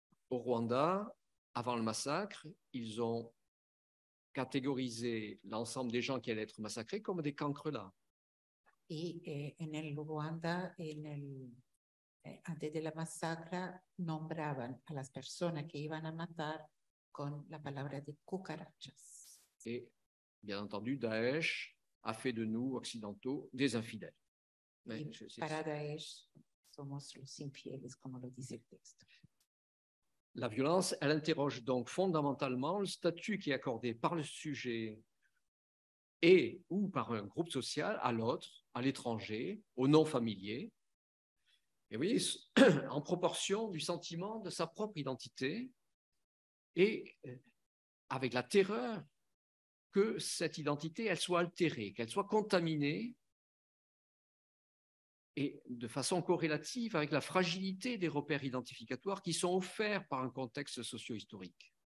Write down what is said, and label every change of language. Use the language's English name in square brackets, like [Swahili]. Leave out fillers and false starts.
[French] Au Rwanda, avant le massacre, ils ont catégorisé l'ensemble des gens qui allaient être massacrés comme des cancrelats. [Spanish] Et en el Rwanda, en el, antes de la massacre, nombraban a las personas que iban a matar con la palabra de cucarachas. [French] Et bien entendu, Daesh a fait de nous, occidentaux, des infidèles. [Spanish] Mais, para Daesh, somos los infieles, como lo dice el texto. [French] La violence, elle interroge donc fondamentalement le statut qui est accordé par le sujet et ou par un groupe social à l'autre, à l'étranger, au non-familier. Et vous voyez, en proportion du sentiment de sa propre identité et avec la terreur que cette identité, elle soit altérée, qu'elle soit contaminée et de façon corrélative avec la fragilité des repères identificatoires qui sont offerts par un contexte socio-historique.